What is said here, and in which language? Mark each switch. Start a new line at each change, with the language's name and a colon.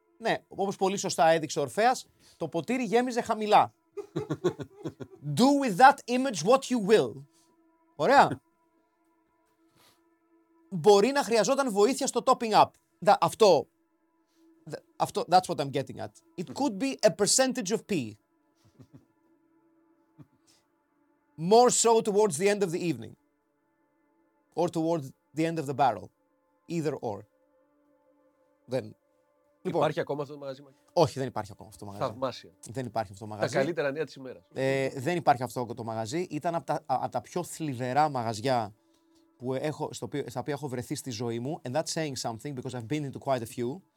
Greek: Ναι, όπως πολύ σωστά έδειξε ο Ορφέας, το ποτήρι γέμιζε χαμηλά.
English: Do with that image what you will.
Greek: Ωραία. Μπορεί να χρειαζόταν βοήθεια στο
English: topping up.
Greek: Αυτό,
English: that's what I'm getting at. It could be a percentage of pee. More so towards the end of the evening. Or towards the end of the barrel. Either or. Then...
Greek: Λοιπόν, υπάρχει ακόμα αυτό το μαγαζί? Όχι, δεν υπάρχει ακόμα αυτό το μαγαζί. Θαυμάσια. Δεν υπάρχει αυτό το μαγαζί. Τα καλύτερα νέα της ημέρας. Δεν υπάρχει αυτό το μαγαζί. Ήταν από τα πιο θλιβερά μαγαζιά που έχω, στα οποία έχω βρεθεί στη ζωή μου.
English: And that's saying something because I've been into quite a few.